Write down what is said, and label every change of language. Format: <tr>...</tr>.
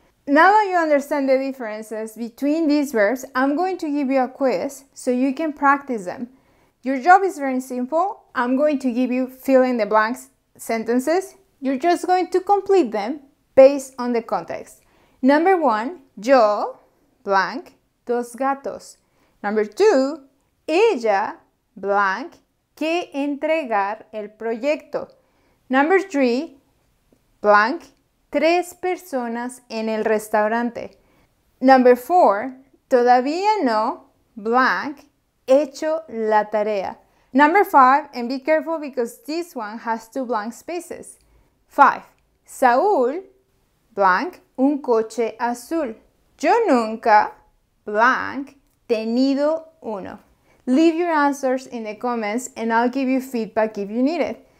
<en>Now that you understand the differences between these verbs, I'm going to give you a quiz so you can practice them. Your job is very simple. I'm going to give you fill in the blanks sentences. You're just going to complete them based on the context. Number one,</en> <es>yo, blank, dos gatos.</es> <en>Number two,</en> <es>ella, blank, que entregar el proyecto.</es> <en>Number three,</en> <es>blank, tres personas en el restaurante.</es> <en>Number four,</en> <es>todavía no, blank, hecho la tarea.</es> <en>Number five, and be careful because this one has two blank spaces.</en> <es>Five, Saúl, blank, un coche azul. Yo nunca, blank, tenido uno.</es> <en>Leave your answers in the comments and I'll give you feedback if you need it.</en>